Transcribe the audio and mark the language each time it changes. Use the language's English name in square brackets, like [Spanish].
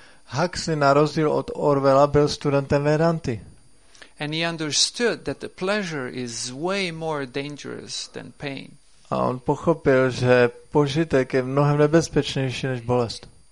[Czech] Huxley, na rozdíl od Orwella, byl studentem Vedanty. [English] And he understood that the pleasure is way more dangerous than pain. [Czech] A on pochopil, že požitek je mnohem nebezpečnější než bolest.